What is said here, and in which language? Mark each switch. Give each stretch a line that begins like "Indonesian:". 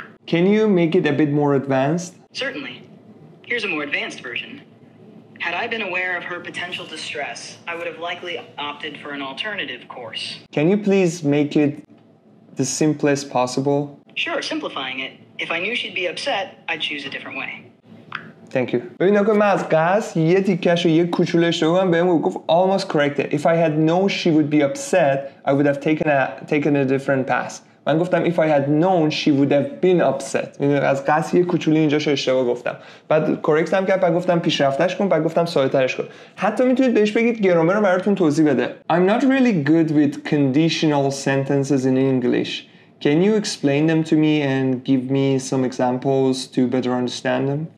English: Can you make it a bit more advanced? Certainly. Here's a more advanced version. Had I been aware of her potential distress, I would have likely opted for an alternative course. Can you please make it the simplest possible? Sure, simplifying it. If I knew she'd be upset, I'd choose a different way. Thank you.
Persian: ببینید که من از قصد یه تیکش و یه کوچولش رو بگم بهم گفت
English: almost corrected. If I had known she would be upset, I would have taken a different path.
Persian: من گفتم
English: if I had known she would have been upset.
Persian: از قصد یه کوچولی اینجاشو اشتباه گفتم. بعد correct هم کرد، بعد گفتم پیشرفتش کن، بعد گفتم ساده‌ترش کن. حتی میتونید بهش بگید گرامر رو براتون توضیح بده.
English: I'm not really good with conditional sentences in English. Can you explain them to me and give me some examples to better understand them?